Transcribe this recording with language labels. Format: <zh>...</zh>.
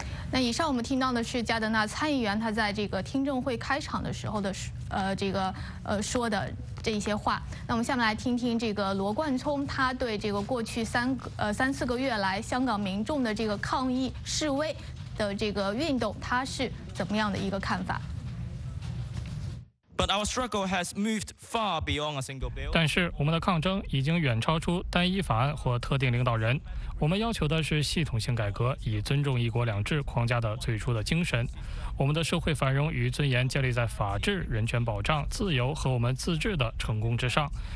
<zh>那以上我们听到的是加德纳参议员他在这个听证会开场的时候的说的这些话。那我们下面来听听这个罗冠聪，他对这个过去三四个月来香港民众的这个抗议示威的这个运动，他是怎么样的一个看法。</zh> <en>But our struggle has moved far beyond a single bill.</en> <zh>但是我们的抗争已经远超出单一法案或特定领导人。我们要求的是系统性改革，以尊重一国两制框架的最初的精神。我们的社会繁荣与尊严建立在法治、人权保障、自由和我们自治的成功之上。</zh>